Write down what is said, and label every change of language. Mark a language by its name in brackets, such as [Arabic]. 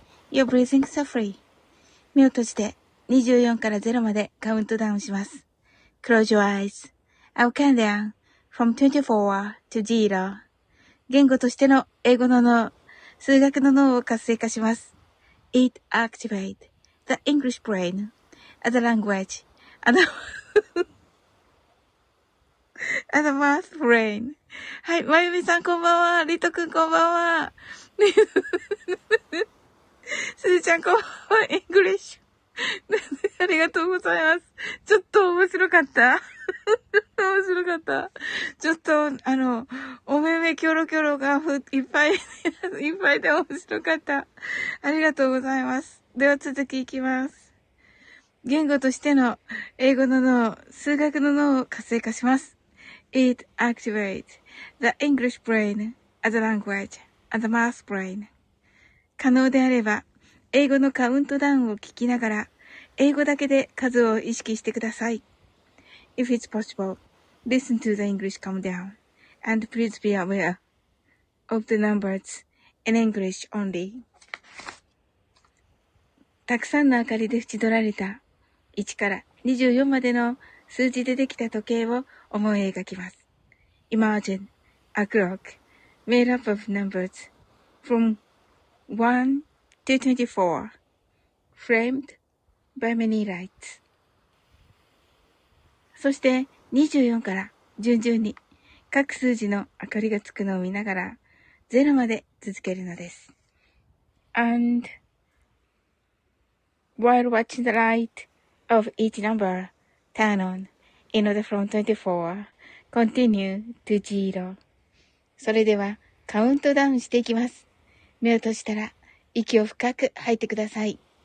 [English] Your breathing is free. [Japanese] 目を閉じて24から0までカウントダウンします。 [English] Close your eyes. I'll count down from 24 to 0. [Japanese] 言語としての英語の脳、数学の脳を活性化します。 [English] It activates the English brain as a language and a math brain. [Japanese] はい、まゆみさんこんばんは。りとくんこんばんは。すずちゃんこんばんは。 [English] English. [Japanese] ありがとうございます。ちょっと面白かった。面白かった。ちょっと、おめめきょろきょろがいっぱい、で面白かった。ありがとうございます。では続きいきます。言語としての英語の脳、数学の脳を活性化します。 [English] It activates the English brain as a language and the math brain. [Japanese] 可能であれば、英語のカウントダウンを聞きながら、英語だけで数を意識してください。 [English] If it's possible, listen to the English countdown and please be aware of the numbers in English only. [Japanese] たくさんの明かりで縁取られた1から24までの数字でできた時計を思い描きます。 [English] Imagine a clock made up of numbers from 1 to 24 framed by many lights. [Japanese] そして24から順々に各数字の明かりがつくのを見ながら0まで続けるのです。 [English] And while watching the light of each number turn on in order from 24, continue to 0. [Japanese] それではカウントダウンしていきます。目を閉じたら息を深く吐いてください。